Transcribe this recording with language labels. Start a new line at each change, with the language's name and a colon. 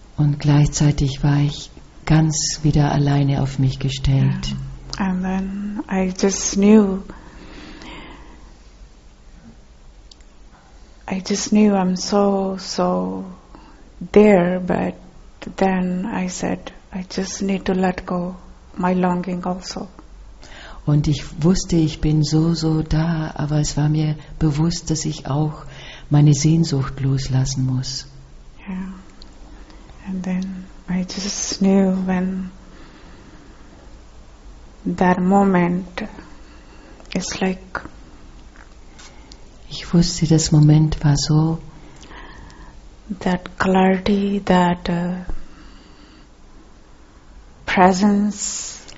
German: Und gleichzeitig war ich ganz wieder alleine auf mich gestellt.
English: Yeah. And then I just knew. I'm so. There, but then I said, I just need to let go my longing also.
German: Und ich wusste, ich bin so da, aber es war mir bewusst, dass ich auch meine Sehnsucht loslassen muss.
English: Yeah. And then I just knew when that moment is like.
German: Ich wusste, das Moment war so.
English: That clarity, that presence.